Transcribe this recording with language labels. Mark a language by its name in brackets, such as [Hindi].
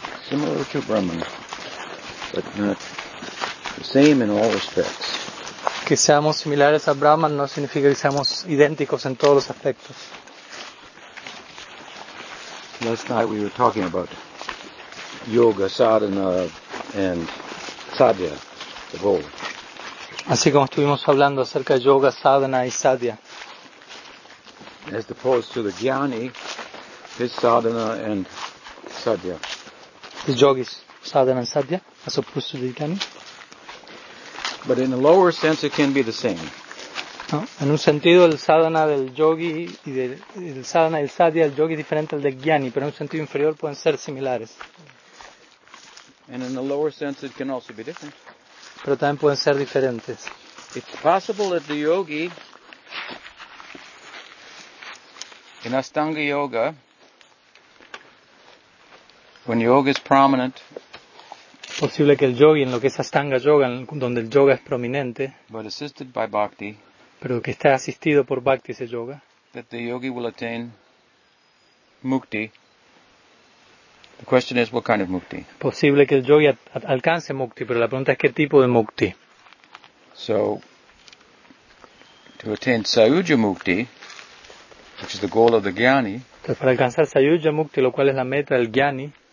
[English] To Brahman, but not the same in all respects. [Spanish] Que seamos similares a Brahman no significa que seamos idénticos en todos los aspectos. [English] Last night we were talking about yoga, sadhana, and sadhya, the goal. [Spanish] Así como estuvimos hablando acerca de yoga, sadhana y sadhya. [English] As opposed to the jnani, his sadhana and sadhya. The yogis, sadhana and sadhya, as opposed to the jnani. But in a lower sense, it can be the same. [Spanish] No, en un sentido, el sadhana del yogi y el sadhana del sadhya del yogi es diferente al del jnani, pero en un sentido inferior pueden ser similares. And in a lower sense, it can also be different. Pero también pueden ser diferentes. [English] It's possible that the yogi, in Ashtanga yoga, when yoga is prominent, [Spanish] posible que el yogi en lo que es Ashtanga yoga, donde el yoga es prominente, [English] but assisted by bhakti, [Spanish] pero que está asistido por bhakti ese yoga. [English] That the yogi will attain mukti. The question is, what kind of mukti? [Spanish] Posible que el yogi alcance mukti, pero la pregunta es qué tipo de mukti. [English] So, to attain sayujya mukti, which is the goal of the jnani. [Spanish] Entonces, para alcanzar sayujya mukti, lo cual es la meta del jnani.